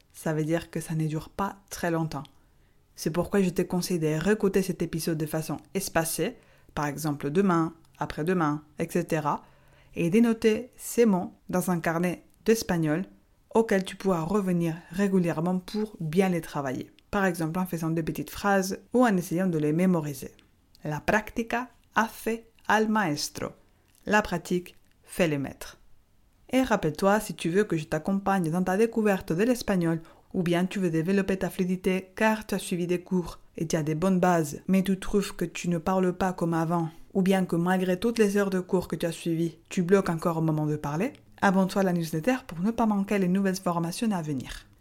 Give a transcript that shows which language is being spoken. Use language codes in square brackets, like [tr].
[fr] Ça veut dire que ça ne dure pas très longtemps. C'est pourquoi je te conseille de réécouter cet épisode de façon espacée, par exemple demain, après-demain, etc. et dénoter ces mots dans un carnet d'espagnol auquel tu pourras revenir régulièrement pour bien les travailler. Par exemple en faisant de petites phrases ou en essayant de les mémoriser. [es] La práctica hace al maestro. [fr] La pratique fait le maître. Et rappelle-toi, si tu veux que je t'accompagne dans ta découverte de l'espagnol ou bien tu veux développer ta fluidité car tu as suivi des cours et tu as des bonnes bases, mais tu trouves que tu ne parles pas comme avant ou bien que malgré toutes les heures de cours que tu as suivies, tu bloques encore au moment de parler, abonne-toi à la newsletter pour ne pas manquer les nouvelles formations à venir.